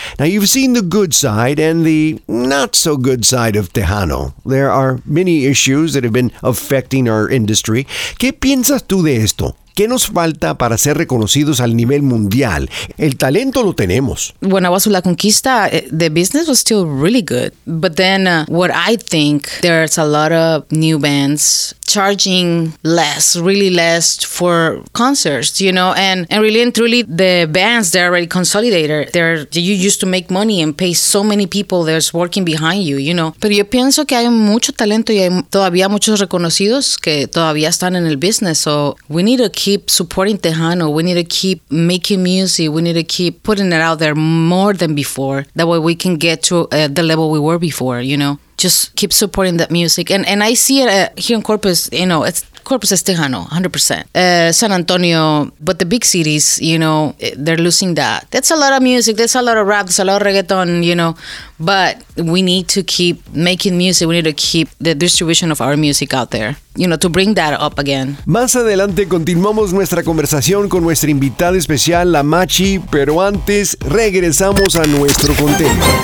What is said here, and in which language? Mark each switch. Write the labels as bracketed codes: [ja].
[en] Now, you've seen the good side and the not-so-good side of Tejano. There are many issues that have been affecting our industry. [es] ¿Qué piensas tú de esto? ¿Qué nos falta para ser reconocidos al nivel mundial? El talento lo tenemos. [en] When I was with La Conquista, the business was still really good. But then what I think, there's a lot of new bands charging less, really less for concerts, you know? And really and truly, the bands, they're already consolidated. You used to make money and pay so many people that's working behind you, you know? [es] Pero yo pienso que hay mucho talento y hay todavía muchos reconocidos que todavía están en el business. [en] So we need to keep supporting Tejano. We need to keep making music. We need to keep putting it out there more than before. That way we can get to the level we were before, you know? Just keep supporting that music. And I see it here in Corpus, you know, [es] Corpus es Tejano, 100%. [en] San Antonio, but the big cities, you know, they're losing that. That's a lot of music. That's a lot of rap. That's a lot of reggaeton, you know. But we need to keep making music. We need to keep the distribution of our music out there, you know, to bring that up again. [es] Más adelante continuamos nuestra conversación con nuestra invitada especial, La Machi, pero antes regresamos a nuestro contenido.